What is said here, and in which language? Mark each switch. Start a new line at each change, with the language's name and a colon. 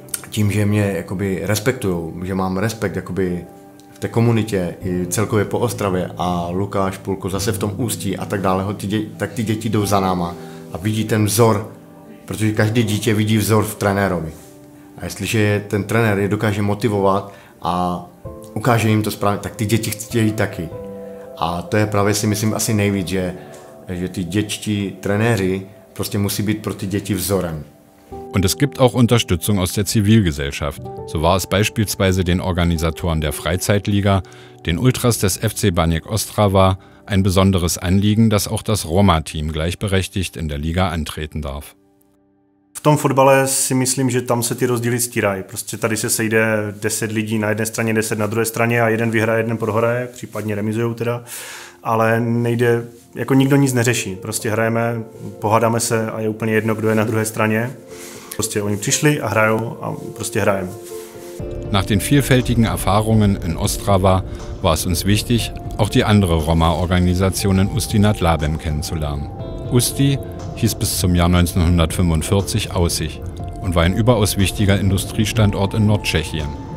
Czech: Tím, že mě jakoby respektujou, že mám respekt jakoby v té komunitě i celkově po Ostravě a Lukáš Půlko zase v tom Ústí a tak dále, tak ty děti jdou za náma a vidí ten vzor, protože každé dítě vidí vzor v trenérovi. A jestliže ten trenér je dokáže motivovat a ukáže jim to správně, tak ty děti chtějí taky. A to je právě si myslím asi nejvíc, že ty dětští trenéři prostě musí být pro ty děti vzorem.
German: Und es gibt auch Unterstützung aus der Zivilgesellschaft. So war es beispielsweise den Organisatoren der Freizeitliga, den Ultras des FC Banjak Ostrava, ein besonderes Anliegen, dass auch das Roma-Team gleichberechtigt in der Liga antreten darf.
Czech: V tom fotbale si myslím, že tam se ty rozdíly stírají. Prostě tady se sejde 10 lidí na jedné straně, 10 na druhé straně a jeden vyhraje, jeden prohraje, případně remizujou teda. Ale nejde, jako nikdo nic neřeší. Prostě hrajeme, pohádáme se a je úplně jedno, kdo je na druhé straně. Prostě oni přišli a hrajou a prostě hrajeme.
German: Nach den vielfältigen Erfahrungen in Ostrava war es uns wichtig, auch die andere Roma-Organisationen Usti nad Labem kennenzulernen. Usti hieß bis zum Jahr 1945 Aussig und war ein überaus wichtiger Industriestandort in Nordtschechien.